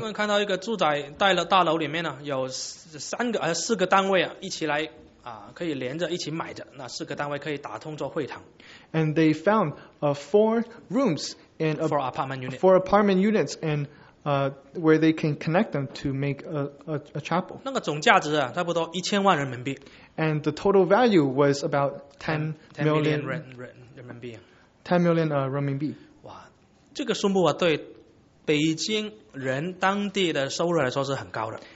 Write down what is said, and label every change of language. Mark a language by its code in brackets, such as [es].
[zh] 他们看到一个住宅带了大楼里面有四个单位一起来可以连着一起买着，那四个单位可以打通做会堂。 [en] And they found four rooms in four apartment units and where they can connect them to make a chapel. [zh] 那个总价值差不多1000万人民币。 [en] And the total value was about 10 million renminbi. 10 million renminbi. [zh] 哇，这个数目对北京人当地的收入来说是很高的。